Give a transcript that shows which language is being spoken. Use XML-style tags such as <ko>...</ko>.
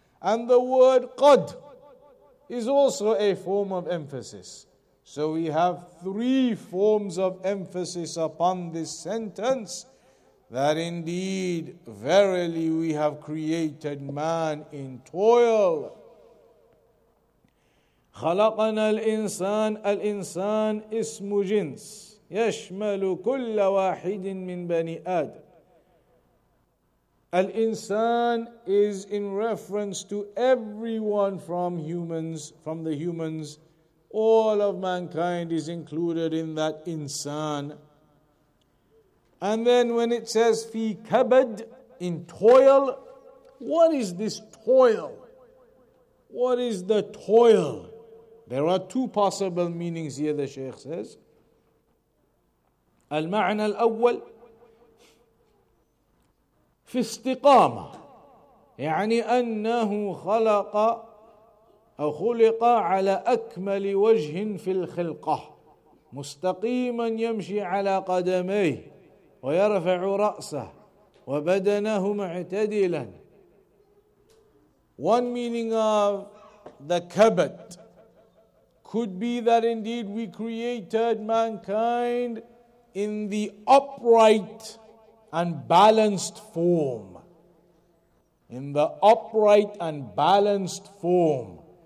<en>And the word qad is also a form of emphasis. So we have three forms of emphasis upon this sentence, that indeed, verily, we have created man in toil.</en> <ar>خلقنا الإنسان, الإنسان اسم جنس يشمل كل واحد من بني آدم.</ar> <en>الإنسان is in reference to everyone from humans, from the humans. All of mankind is included in that إنسان. And then when it says fi kabad, in toil, what is this toil? What is the toil? There are two possible meanings here, the Shaykh says.</en> <ar>Al-ma'na al-awwal fi istiqama, يعني أنه خلق أو خلق على أكمل وجه في الخلقة مستقيما يمشي على قدميه ويرفع رأسه وبدنه معتدلا.</ar> <en>One meaning of the kabat could be that indeed we created mankind in the upright and balanced form. In the upright and balanced form.</en>